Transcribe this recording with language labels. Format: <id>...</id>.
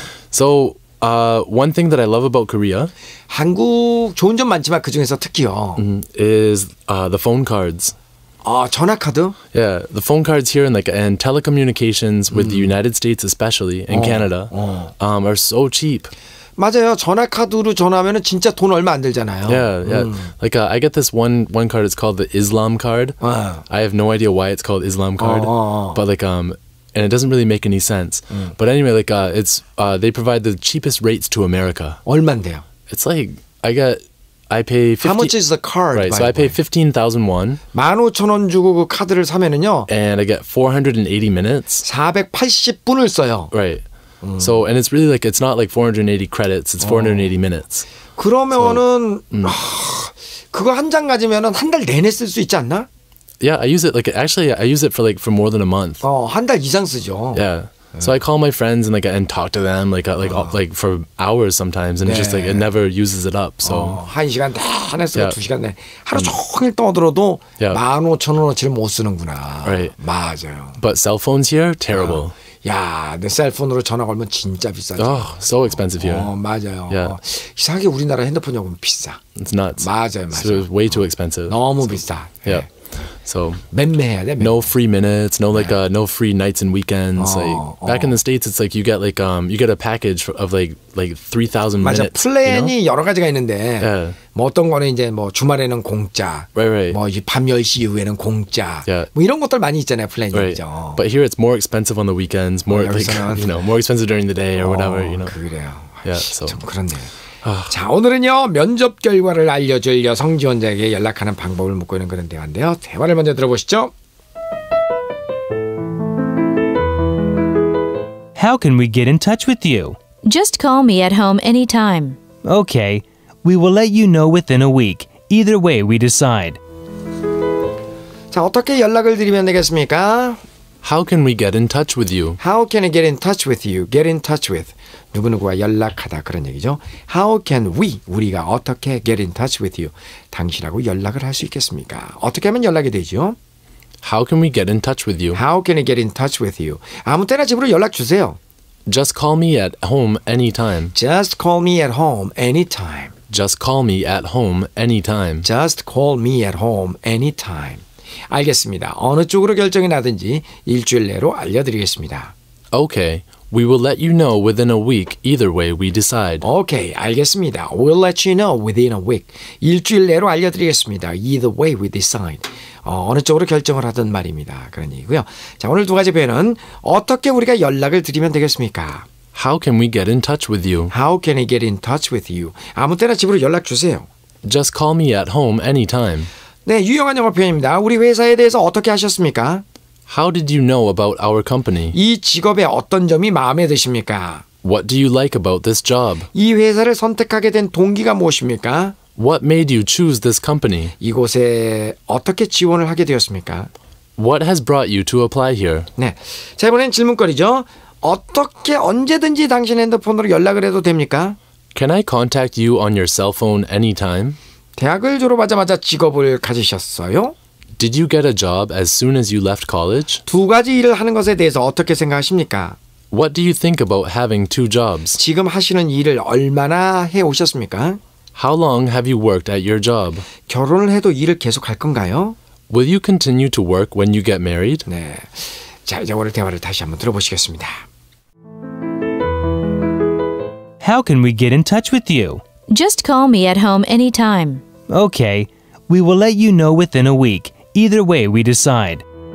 <en>So, one thing that I love about Korea.</en> <ko>한국 좋은 점 많지만 그 중에서 특히요.</ko> <en>Is the phone cards.</en> <ko>아, 전화 카드?</ko> <en>Yeah, the phone cards here and like and telecommunications with the United States especially in Canada are so cheap.</en> <ko>맞아요. 전화 카드로 전화하면은 진짜 돈 얼마 안 들잖아요.</ko> <en>Yeah, yeah. Like I get this one card, it's called the Islam card. I have no idea why it's called Islam card. But like and it doesn't really make any sense. But anyway, like it's they provide the cheapest rates to America.</en> <ko>얼마인데요?</ko> <en>It's like I pay 50, How much is the card? Right, so I pay 15,000 won.</en> <ko>15,000원 주고 그 카드를 사면은요.</ko> <en>And I get 480 minutes.</en> <ko>480분을 써요.</ko> <en>Right. So and it's really like it's not like 480 credits. It's 480 minutes.</en> <ko>그러면은 so, 그거 한 장 가지면은 한 달 내내 쓸 수 있지 않나?</ko> <en>Yeah, I use it like actually I use it for like for more than a month.</en> <ko>어, 한 달 이상 쓰죠.</ko> <en>Yeah. So I call my friends and like and talk to them like like for hours sometimes and 네. just like it never uses it up. So</en> <ko>한 시간 내 쓰고 두 시간 내 하루 종일 떠들어도 15,000원어치를 못 쓰는구나.</ko> <en>Right.</en> <ko>맞아요.</ko> <en>But cell phones here terrible.</en> <ko>야, 내 셀폰으로 전화 걸면 진짜 비싸죠.</ko> <en>Oh, so expensive here.</en> <ko>맞아요.</ko> <en>Yeah.</en> <ko>이상하게 우리나라 핸드폰 요금 비싸.</ko> <en>It's nuts.</en> <ko>맞아요, 맞아요.</ko> <en>So it's way too expensive.</en> <ko>너무 비싸.</ko> <en>So, yeah. 네. So,</en> <ko>맴매해야 돼,</ko> <en>맴매. No free minutes, no like no free nights and weekends. Like back in the States, it's like you get like you get a package of like 3,000 minutes.</en> <ko>맞아, 플랜이</ko> <en>you know?</en> <ko>여러 가지가 있는데,</ko> <en>yeah.</en> <ko>뭐 어떤 거는 이제 뭐 주말에는 공짜,</ko> <en>right, right.</en> <ko>뭐 이제 밤 10시 이후에는 공짜,</ko> <en>yeah.</en> <ko>뭐 이런 것들 많이 있잖아요, 플랜이죠.</ko> <en>Right. But here it's more expensive on the weekends, more like you know, more expensive during the day or whatever, you know.</en> <ko>그래요.</ko> <en>Yeah, so.</en> <ko>참 그렇네요. 자 오늘은요 면접 결과를 알려줄 여성 지원자에게 연락하는 방법을 묻고 있는 그런 대화인데요 대화를 먼저 들어보시죠.</ko> <en>How can we get in touch with you? Just call me at home anytime. Okay, we will let you know within a week. Either way, we decide.</en> <ko>자 어떻게 연락을 드리면 되겠습니까?</ko> <en>How can we get in touch with you? How can I get in touch with you? Get in touch with.</en> <ko>누구누구와 연락하다 그런 얘기죠.</ko> <en>How can we,</en> <ko>우리가 어떻게</ko> <en>get in touch with you?</en> <ko>당신하고 연락을 할 수 있겠습니까? 어떻게 하면 연락이 되죠?</ko> <en>How can we get in touch with you? How can I get in touch with you?</en> <ko>아무 때나 집으로 연락 주세요.</ko> <en>Just call me at home anytime. Just call me at home anytime. Just call me at home anytime. Just call me at home anytime.</en> <ko>알겠습니다. 어느 쪽으로 결정이 나든지 일주일 내로 알려드리겠습니다.</ko> <en>Okay. We will let you know within a week. Either way, we decide. Okay,</en> <ko>알겠습니다.</ko> <en>We'll let you know within a week.</en> <ko>일주일 내로 알려드리겠습니다.</ko> <en>Either way, we decide.</en> <ko>어느 쪽으로 결정을 하든 말입니다. 그런 얘기고요. 자, 오늘 두 가지 표현은 어떻게 우리가 연락을 드리면 되겠습니까?</ko> <en>How can we get in touch with you? How can I get in touch with you?</en> <ko>아무 때나 집으로 연락 주세요.</ko> <en>Just call me at home anytime.</en> <ko>네, 유용한 영어 표현입니다. 우리 회사에 대해서 어떻게 하셨습니까?</ko> <en>How did you know about our company?</en> <ko>이 직업의 어떤 점이 마음에 드십니까?</ko> <en>What do you like about this job?</en> <ko>이 회사를 선택하게 된 동기가 무엇입니까?</ko> <en>What made you choose this company?</en> <ko>이곳에 어떻게 지원을 하게 되었습니까?</ko> <en>What has brought you to apply here?</en> <ko>네, 자, 이번엔 질문거리죠. 어떻게 언제든지 당신 핸드폰으로 연락을 해도 됩니까?</ko> <en>Can I contact you on your cell phone anytime?</en> <ko>대학을 졸업하자마자 직업을 가지셨어요?</ko> <en>Did you get a job as soon as you left college?</en> <ko>두 가지 일을 하는 것에 대해서 어떻게 생각하십니까?</ko> <en>What do you think about having two jobs?</en> <ko>지금 하시는 일을 얼마나 해 오셨습니까?</ko> <en>How long have you worked at your job?</en> <ko>결혼을 해도 일을 계속 할 건가요?</ko> <en>Will you continue to work when you get married?</en> <ko>네. 자, 이제 오늘 대화를 다시 한번 들어보시겠습니다.</ko> <en>How can we get in touch with you? Just call me at home anytime. Okay. We will let you know within a week. Either way, we decide.</en>